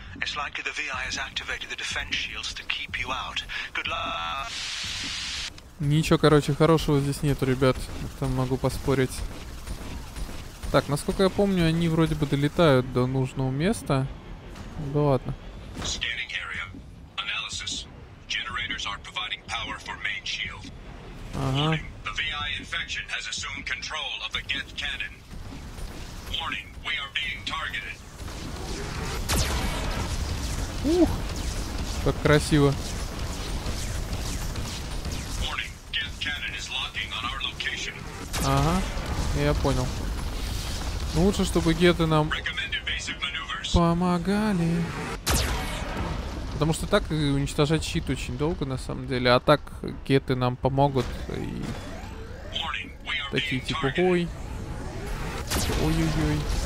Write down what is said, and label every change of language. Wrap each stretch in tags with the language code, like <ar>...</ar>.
<en>It's likely the VI has activated the defense shields to keep you out. Good luck.</en> <ru>Ничего, короче, хорошего здесь нету, ребят. Это могу поспорить. Так, насколько я помню, они вроде бы долетают до нужного места. Да ладно.</ru> <en>Scanning area. Analysis. Generators are providing power for main shield.</en> <ru>Ага.</ru> <en>Infection has assumed control of the Geth cannon. Warning, we are being targeted.</en> <ru>Ух, как красиво.</ru> <en>Warning, Geth cannon is locking on our location.</en> <ru>Ага, я понял. Но лучше, чтобы геты нам помогали. Потому что так уничтожать щит очень долго, на самом деле. А так геты нам помогут. И такие типа, ой. Ой-ой-ой.</ru>